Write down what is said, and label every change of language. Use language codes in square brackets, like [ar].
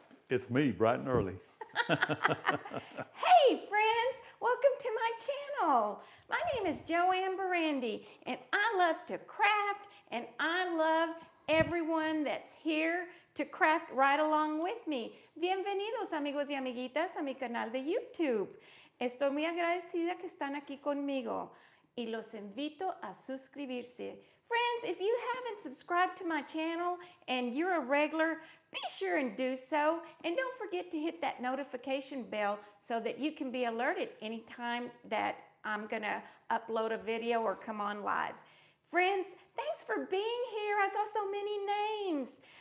[en] It's me, bright and early. Hey, friends. Welcome to my channel. My name is JoAnn Barrandey, and I love to craft, and I love everyone that's here to craft right along with me. [es] Bienvenidos, amigos y amiguitas, a mi canal de YouTube. Estoy muy agradecida que están aquí conmigo, y los invito a suscribirse. [en] Friends, if you haven't subscribed to my channel and you're a regular, be sure and do so. And don't forget to hit that notification bell so that you can be alerted anytime that I'm gonna upload a video or come on live. Friends, thanks for being here. I saw so many names.